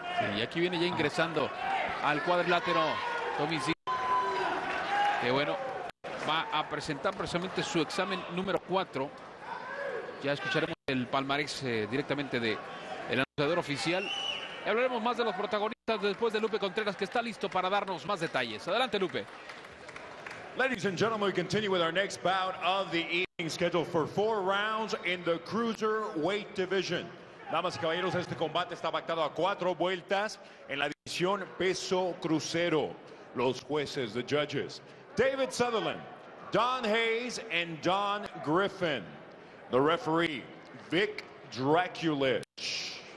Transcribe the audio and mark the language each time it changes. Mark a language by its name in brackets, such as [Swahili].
[Spanish] Sí, y aquí viene ya ingresando al cuadrilátero Tommy Z, que bueno, va a presentar precisamente su examen número 4. Ya escucharemos el palmarés directamente del anunciador oficial. Y hablaremos más de los protagonistas después de Lupe Contreras, que está listo para darnos más detalles. Adelante, Lupe. [English] Ladies and gentlemen, we continue with our next bout of the evening, scheduled for 4 rounds in the cruiserweight division. [Spanish] Damas y caballeros, este combate está pactado a 4 vueltas en la división peso crucero. Los jueces, [English] the judges, [Spanish] David Sutherland, Don Hayes, and Don Griffin. [English] The referee, Vic Draculich.